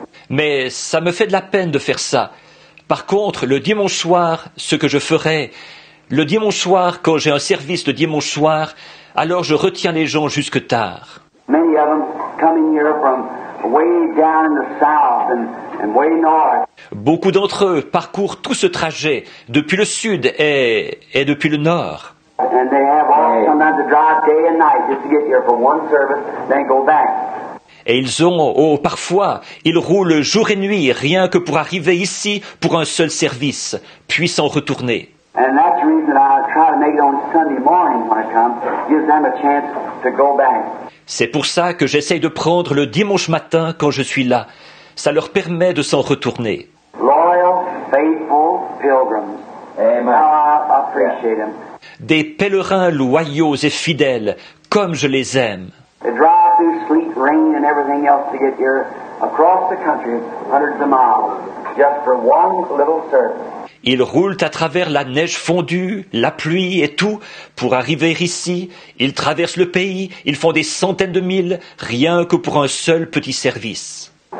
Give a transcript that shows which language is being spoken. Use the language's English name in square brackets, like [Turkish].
[French] Mais ça me fait de la peine de faire ça. Par contre, le dimanche soir, ce que je ferai, le dimanche soir, quand j'ai un service de dimanche soir, alors je retiens les gens jusque tard. [English] Many of them coming here from way down in the south and way north. [French] Beaucoup d'entre eux parcourent tout ce trajet depuis le sud et depuis le nord. [English] And they have all sometimes to drive day and night just to get here for one service, then go back. [French] Et ils ont, oh, parfois, ils roulent jour et nuit rien que pour arriver ici pour un seul service, puis s'en retourner. [English] And that's the reason I try to make it on Sunday morning when I come, gives them a chance to go back. [French] C'est pour ça que j'essaye de prendre le dimanche matin quand je suis là. Ça leur permet de s'en retourner. [English] Loyal, faithful pilgrims. Amen. I appreciate them. [French] Des pèlerins loyaux et fidèles, comme je les aime. [English] They drive through sleet, rain and everything else to get here across the country, hundreds of miles, just for one little service. [French] Ils roulent à travers la neige fondue, la pluie et tout pour arriver ici. Ils traversent le pays, ils font des centaines de milles, rien que pour un seul petit service.